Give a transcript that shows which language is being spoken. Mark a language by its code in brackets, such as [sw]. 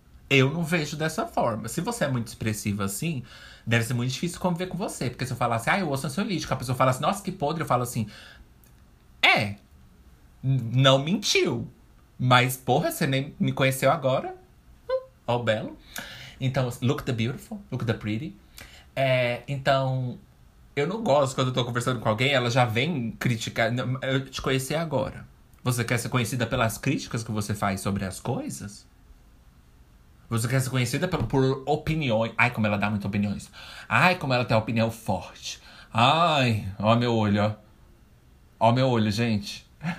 [pt] Eu não vejo dessa forma. Se você é muito expressiva assim... Deve ser muito difícil conviver com você. Porque se eu falasse... Ah, eu ouço ansiolítico. A pessoa fala assim... Nossa, que podre. Eu falo assim... Não mentiu. Mas, porra, você nem me conheceu agora. Ó, oh, belo. Então, [en] look the beautiful, look the pretty. [pt] Então, eu não gosto quando eu tô conversando com alguém, ela já vem criticar. Eu te conheci agora. Você quer ser conhecida pelas críticas que você faz sobre as coisas? Você quer ser conhecida por opiniões? Ai, como ela dá muitas opiniões. Ai, como ela tem opinião forte. Ai, ó meu olho, ó. Ó meu olho, gente.